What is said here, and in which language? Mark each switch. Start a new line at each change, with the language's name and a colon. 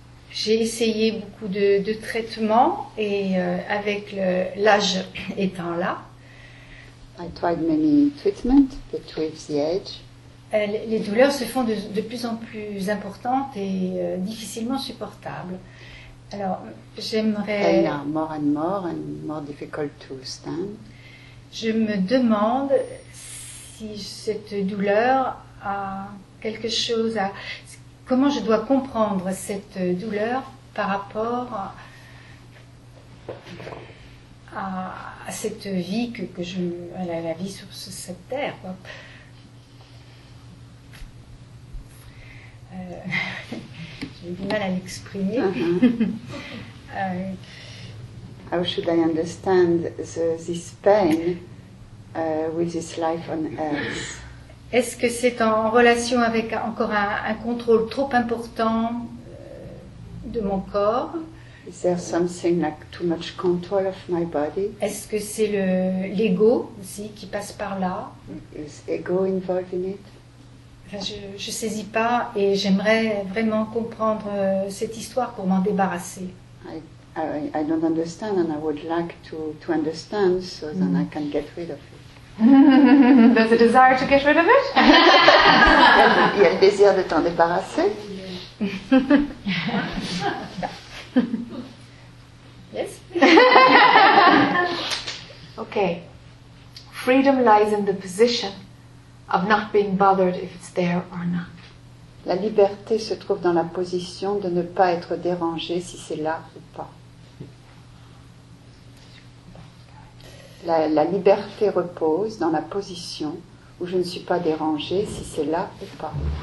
French: J'ai essayé beaucoup de traitements et avec l'âge étant là.
English: I tried many treatments, but with the age.
French: Les douleurs se font de plus en plus importantes et difficilement supportables. Alors, j'aimerais.
English: They are more and more and more difficult to stand.
French: Je me demande si cette douleur a quelque chose à. Comment je dois comprendre cette douleur par rapport à cette vie que je la vie sur cette terre. J'ai du mal à l'exprimer.
English: How should I understand this pain with this life on earth?
French: Est-ce que c'est en relation avec encore un contrôle trop important de mon corps?
English: Is there something like too much control of my body?
French: Est-ce que c'est l'ego aussi qui passe par là?
English: Is ego involved in it?
French: Enfin, je ne saisis pas et j'aimerais vraiment comprendre cette histoire pour m'en débarrasser.
English: I don't understand and I would like to understand so then I can get rid of it. There's a desire to get rid of it.
French: Il y a le désir de t'en débarrasser.
English: Yes. Okay. Freedom lies in the position of not being bothered if it's there or not.
French: La liberté se trouve dans la position de ne pas être dérangé si c'est là ou pas. La liberté repose dans la position où je ne suis pas dérangée si c'est là ou pas.